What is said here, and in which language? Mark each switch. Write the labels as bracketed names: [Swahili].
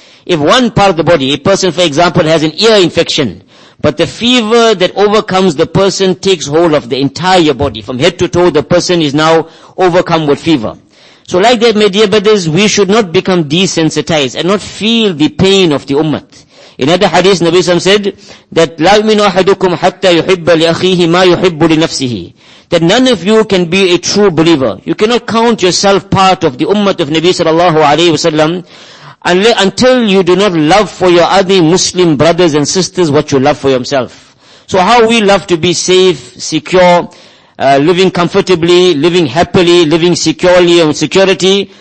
[English] If one part of the body, a person for example has an ear infection, but the fever that overcomes the person takes hold of the entire body. From head to toe, the person is now overcome with fever. So like that, my dear brothers, we should not become desensitized and not feel the pain of the ummah. In other hadith, Nabi Sallam said that [Arabic] لا يؤمن أحدكم حتى يحب لأخيه ما يحب لنفسه. [English] That none of you can be a true believer. You cannot count yourself part of the ummah of Nabi Sallallahu Alaihi Wasallam until you do not love for your other Muslim brothers and sisters what you love for yourself. So how we love to be safe, secure, living comfortably, living happily, living securely and security.